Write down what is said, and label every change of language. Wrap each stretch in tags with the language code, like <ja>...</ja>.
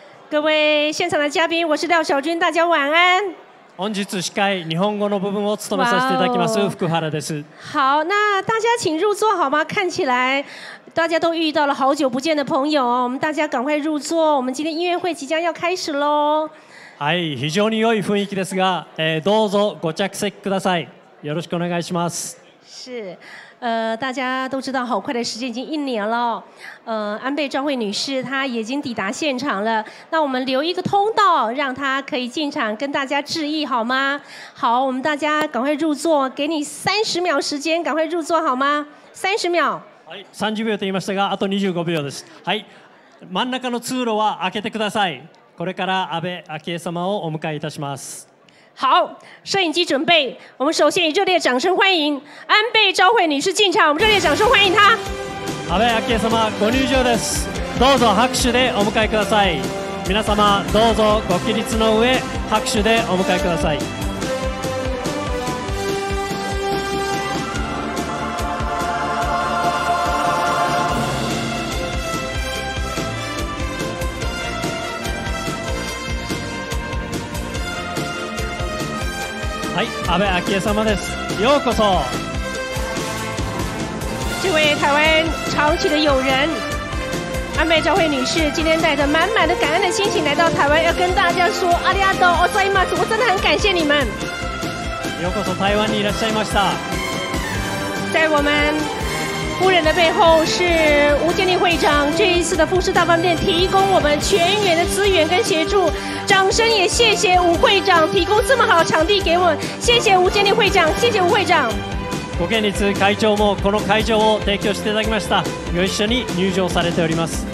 <zh>各位现场的嘉宾，我是廖小军，大家晚安。</zh> <ja>本日司会日本語の部分を務めさせていただきます、wow、福原です。</ja> <zh>好，那大家请入座好吗？看起来大家都遇到了好久不见的朋友，我们大家赶快入座。我们今天音乐会即将要开始喽。</zh> <ja>はい、非常に良い雰囲気ですが、どうぞご着席ください。よろしくお願いします。</ja> <zh>是。大家都知道好快的时间已经一年了，安倍昭惠女士她已经抵达现场了，那我们留一个通道让她可以进场跟大家致意好吗？好，我们大家赶快入座，给你30秒时间赶快入座好吗？ 30秒。</zh> <ja>はい、30秒と言いましたがあと25秒です。はい、真ん中の通路は開けてください。これから安倍昭恵様をお迎えいたします。</ja> <zh>好，摄影机准备，我们首先以热烈掌声欢迎安倍昭惠女士进场，我们热烈掌声欢迎她。</zh> <ja>安倍昭恵様ご入場です。どうぞ拍手でお迎えください。皆様どうぞご起立の上拍手でお迎えください。はい、安倍昭恵様です。ようこそ。</ja> <zh>这位台湾长期的友人安倍昭惠女士，今天带着满满的感恩的心情来到台湾，要跟大家说阿里阿多奥塞马斯，我真的很感谢你们。</zh> <ja>ようこそ台湾にいらっしゃいました。</ja> <zh>在我们夫人的背后是吴建立会长，这一次的服饰大饭店提供我们全员的资源跟协助。掌声也谢谢吴会长提供这么好的场地给我们，谢谢吴建立会长，谢谢吴会长。</zh> <ja>吴建立会长もこの会場を提供していただきました。ご一緒に入場されております。</ja>